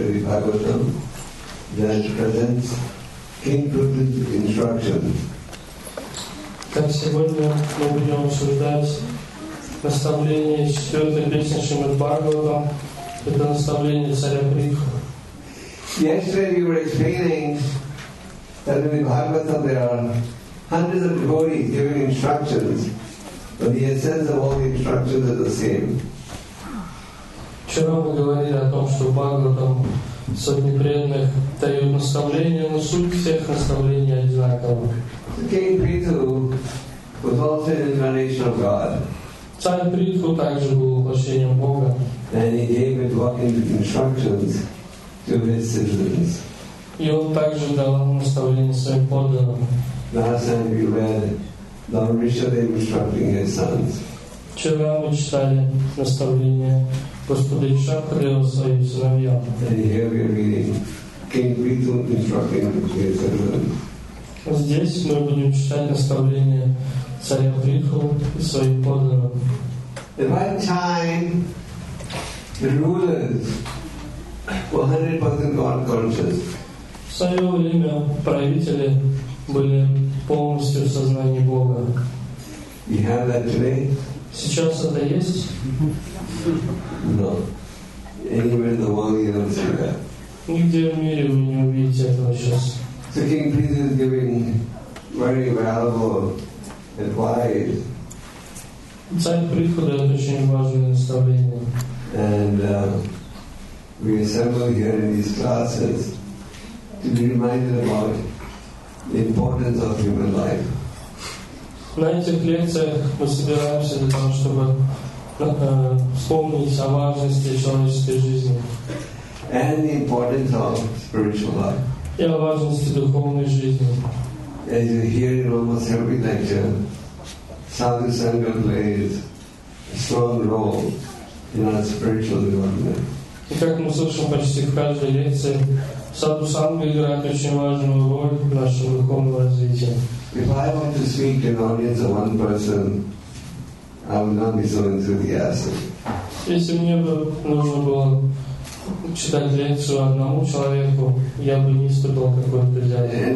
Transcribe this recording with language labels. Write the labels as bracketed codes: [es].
[en] Bhagavatam, that presents included instruction. [ru] Как сегодня мы будем обсуждать наставление из четвертой песни Шримад Бхагаватам, это наставление царя Прихвы. [en] Yesterday we were explaining that in the Bhagavatam there are hundreds of devotees giving instructions, but the essence of all the instructions are the same. [ru] Вчера мы говорили о том, что Бхагаватам сотни преданных дают наставления, но суть всех наставлений одинакова. [en] King Prithu was also an incarnation of God. [ru] Царь Притху также был воплощением Бога. [en] And he gave instructions to his citizens. [ru] И он также дал наставление своим подданным. [en] Last time we read Lord Rishadeva instructing his sons. [ru] Вчера мы читали наставление Господа Ишакры о своих сыновьях. [en] And here we are reading King Prithu instructing his citizens. [ru] Здесь мы будем читать наставления царя Прихвы и своих подданных. [en] At one time, the rulers were 100% God-conscious. [ru] В свое время правители были полностью в сознании Бога. [en] You have that today? [ru] Сейчас это есть? [en] No. Anywhere in the world you don't see that. [ru] Нигде в мире вы не увидите этого сейчас. [en] So King Prithu is giving very valuable advice. [ru] Царь Прихвы дает очень важное наставление. [en] And we assemble here in these classes to be reminded about the importance of human life. [ru] На этих лекциях мы собираемся для того, чтобы вспомнить о важности человеческой жизни. [en] And the importance of spiritual life. [ru] И о важности духовной жизни. [en] As you hear in almost every lecture, Sadhu Sangha plays a strong role in our spiritual development. [ru] И как мы слышим почти в каждой лекции, Sadhu Sangha играет очень важную роль в нашем духовном развитии. [en] If I want to speak in audience of one person, I would not be so enthusiastic. [ru] Если мне бы нужно было читать лекцию одному человеку, я бы не испытывал какой-то